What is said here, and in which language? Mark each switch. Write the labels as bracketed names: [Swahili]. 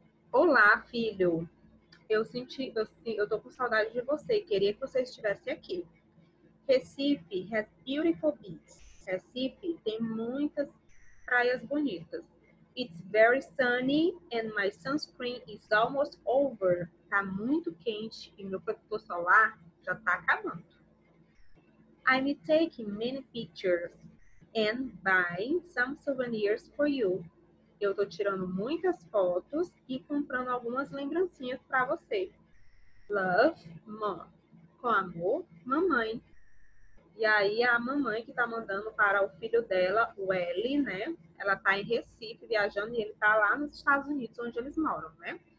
[Portuguese] Olá, filho. Eu tô com saudade de você. Queria que você estivesse aqui. [English] Recife has beautiful beaches. [Portuguese] Recife tem muitas praias bonitas. [English] It's very sunny and my sunscreen is almost over. [Portuguese] Tá muito quente e meu protetor solar já tá acabando. [English] I'm taking many pictures and buying some souvenirs for you. [Portuguese] Eu tô tirando muitas fotos e comprando algumas lembrancinhas para você. [English] Love, mom. [Portuguese] Com amor, mamãe. E aí, a mamãe que tá mandando para o filho dela, o Eli, né? Ela tá em Recife viajando e ele tá lá nos Estados Unidos, onde eles moram, né?